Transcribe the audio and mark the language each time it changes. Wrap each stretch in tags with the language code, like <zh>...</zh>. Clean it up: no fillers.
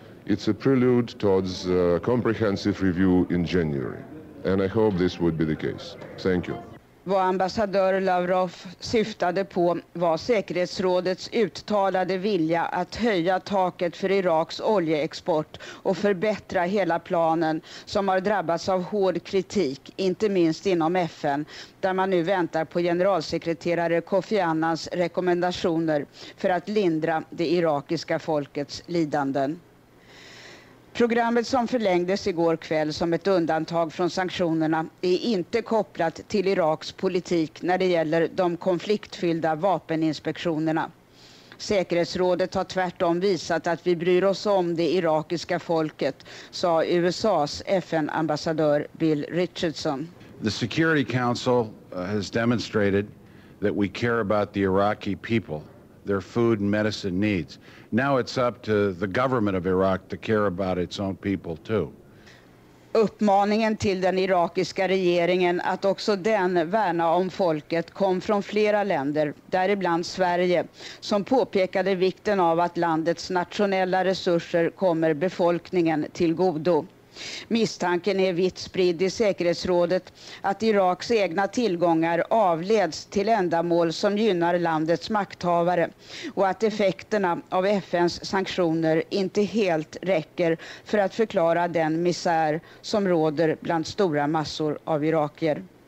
<en>It's a prelude towards a comprehensive review in January. And I hope this would be the case. Thank you.</en> <sv>Vad ambassadör Lavrov syftade på var säkerhetsrådets uttalade vilja att höja taket för Iraks oljeexport och förbättra hela planen som har drabbats av hård kritik, inte minst inom FN, där man nu väntar på generalsekreterare Kofi Annans rekommendationer för att lindra det irakiska folkets lidanden. Programmet som förlängdes igår kväll som ett undantag från sanktionerna är inte kopplat till Iraks politik när det gäller de konfliktfyllda vapeninspektionerna. Säkerhetsrådet har tvärtom visat att vi bryr oss om det irakiska folket, sa USA:s FN-ambassadör Bill Richardson.</sv> <en>The Security Council has demonstrated that we care about the Iraqi people, their food and medicine needs. Now it's up to the government of Iraq to care about its own people too.</en> <sv>Uppmaningen till den irakiska regeringen att också den värna om folket kom från flera länder, däribland Sverige, som påpekade vikten av att landets nationella resurser kommer befolkningen till godo. Misstanken är vitt spridd i säkerhetsrådet att Iraks egna tillgångar avleds till ändamål som gynnar landets makthavare och att effekterna av FNs sanktioner inte helt räcker för att förklara den misär som råder bland stora massor av irakier.</sv>